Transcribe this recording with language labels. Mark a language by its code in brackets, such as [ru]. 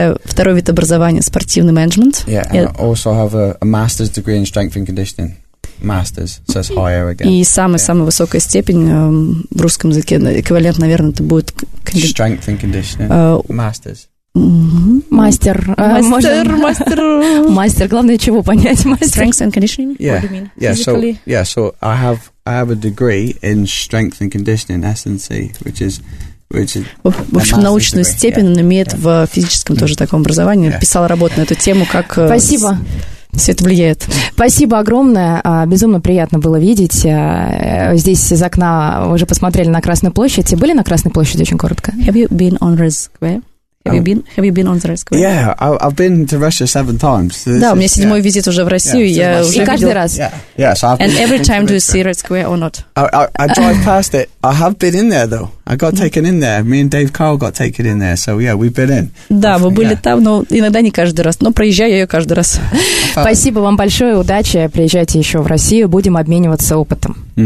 [ru] второй вид образования, спортивный менеджмент. [en] Yeah, and I also have a master's degree in strength and conditioning. Master's, so it's higher again. [ru] И самая высокая степень в русском языке, эквивалент, наверное, это будет [en] strength and conditioning. Master's. [ru] Мастер. Мастер, мастер. Мастер, главное чего понять, мастер. [en] Strength and conditioning, what do you mean? Yeah, so I have a degree in strength and conditioning, S&C, which is [ru] в общем, научную degree. Степень он имеет в физическом тоже таком образовании. [en] Yeah. [ru] Писал работу на эту тему, как... Спасибо. Все это влияет. Спасибо огромное. Безумно приятно было видеть. Здесь из окна уже посмотрели на Красную площадь. Были на Красной площади очень коротко? [en] Have you been on Red Square? Have you been on the Red Square? Yeah, I've been to Russia 7 times. [ru] So да, у меня 7-й визит уже в Россию. [en] Yeah, so [ru] я уже и каждый раз. [en] Yeah, yeah, so and every time do you see Red Square or not? I drive past it. I have been in there, though. I got taken in there. Me and Dave Carl got taken in there. So, yeah, we've been in. [ru] Да, мы были там, но иногда не каждый раз. Но проезжаю ее каждый раз. Спасибо вам большое. Удачи. Приезжайте еще в Россию. Будем обмениваться опытом.